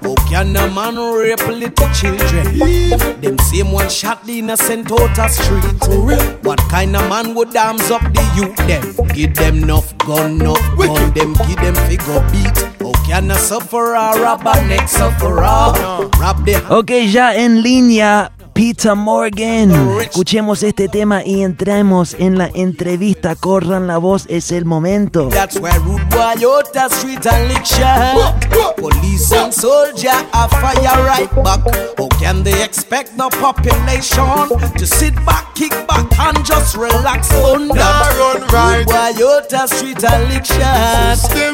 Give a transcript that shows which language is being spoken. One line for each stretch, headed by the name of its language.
English: How can a man rape little children? Them same one shot the innocent out a street. What kind of man would arms up the youth them? Give them enough gun. Them give them figure beat. How can a sufferer rob a next sufferer? Rob the...
Spanish: Okay, ya en línea Peter Morgan. Escuchemos este tema y entremos en la entrevista. Corran la voz, es el momento.
English: That's where rude boy out the street and lick shine. Police and soldier a fire right back. How can they expect the population to sit back, kick back and just relax on that? Rude boy out the street and lick shine.